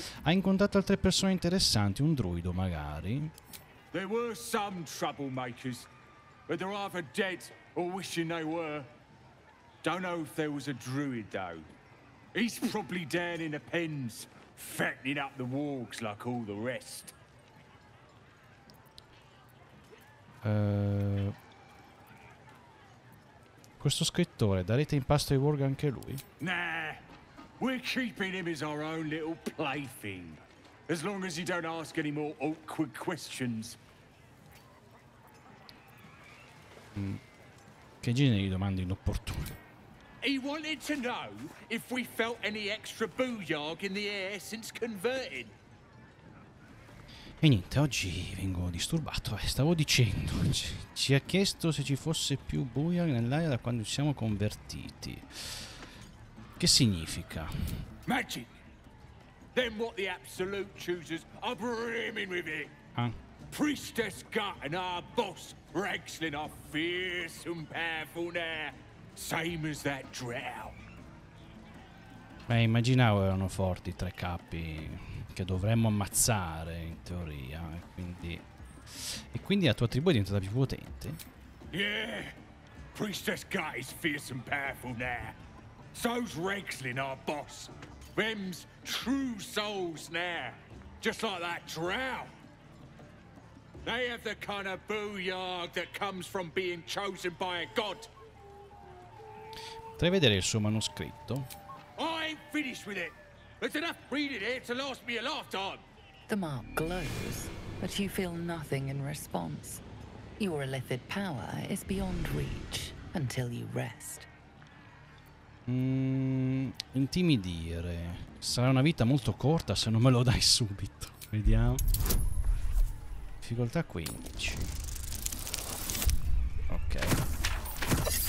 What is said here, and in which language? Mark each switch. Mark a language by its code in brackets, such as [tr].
[it] Ha incontrato altre persone interessanti, un druido magari. [en] There were some troublemakers, but they're either dead or wishing they were. Don't know if there was a druid though. He's probably down in the pens, fattening up the wargs like all the rest. Questo scrittore, darete in pasto ai warg anche lui? Nah, we're keeping him as our own little plaything. As long as you don't ask any more awkward questions. [it] Che genere di domande inopportune? [en] He wanted to know if we felt any extra booyah in the air since converting. [it] E niente, oggi vengo disturbato. Stavo dicendo, ci ha chiesto se ci fosse più buia nell'aria da quando ci siamo convertiti. Che significa? [en] Magic. Then what the absolute chooses are brimming with it. Ah. Priestess Gut and our boss Ragslin are fearsome powerful now. Same as that drow. [it] Beh, immaginavo erano forti i tre capi che dovremmo ammazzare in teoria, e quindi la tua tribù è diventata più potente. [en] Yeah, Priestess Gut is fierce and powerful now. So's Regslin, our boss. Them's true souls now, just like that drow. They have the kind of booyah that comes from being chosen by a god. [it] Potrei vedere il suo manoscritto? [en] I ain't finished with it. There's enough reading here to last me a lifetime. The mark glows, but you feel nothing in response. Your illithid power is beyond reach until you rest. [it] Intimidire. Sarà una vita molto corta se non me lo dai subito. Vediamo. Difficoltà 15. Ok.